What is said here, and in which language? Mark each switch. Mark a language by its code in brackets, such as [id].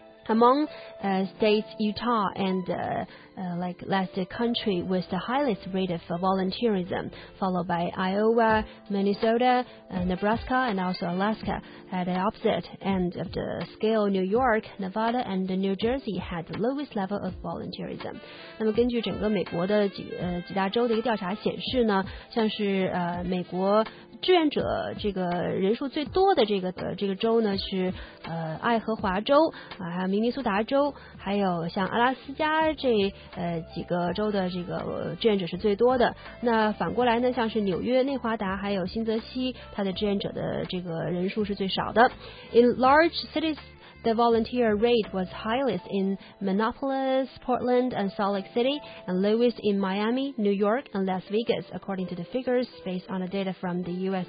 [en] Among states, Utah and like last country with the highest rate of volunteerism, followed by Iowa, Minnesota, Nebraska, and also Alaska at the opposite end of the scale. New York, Nevada, and New Jersey had the lowest level of volunteerism. [zh] 那么根据整个美国的几大州的一个调查显示呢，像是美国志愿者这个人数最多的这个州呢是爱荷华州啊，还有明尼苏达州，还有像阿拉斯加这几个州的这个志愿者是最多的。那反过来呢，像是纽约、内华达还有新泽西，它的志愿者的这个人数是最少的。 [en] In large cities, the volunteer rate was highest in Minneapolis, Portland, and Salt Lake City, and lowest in Miami, New York, and Las Vegas, according to the figures based on the data from the U.S.